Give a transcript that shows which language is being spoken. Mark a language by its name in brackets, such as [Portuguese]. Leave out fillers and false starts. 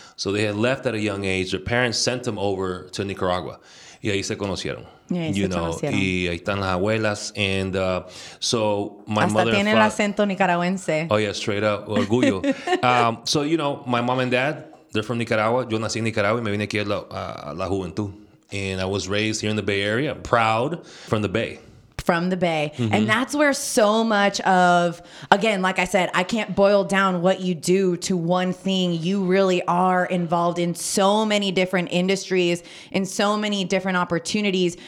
[English] So they had left at a young age. Their parents sent them over to Nicaragua. [Spanish] Y ahí se conocieron. [English] You know, [Spanish] y ahí están las abuelas. [English] And so my [Spanish] hasta [English] mother. [Spanish] Hasta tiene el acento nicaragüense. [English] Oh, yeah, straight up. Orgullo. So, you know, my mom and dad, they're from Nicaragua. [Spanish] Yo nací en Nicaragua y me vine aquí a la juventud. [English] And I was raised here in the Bay Area, proud from the Bay. From the Bay. Mm-hmm. And that's where so much of, again, like I said, I can't boil down what you do to one thing. You really are involved in so many different industries, in so many different opportunities.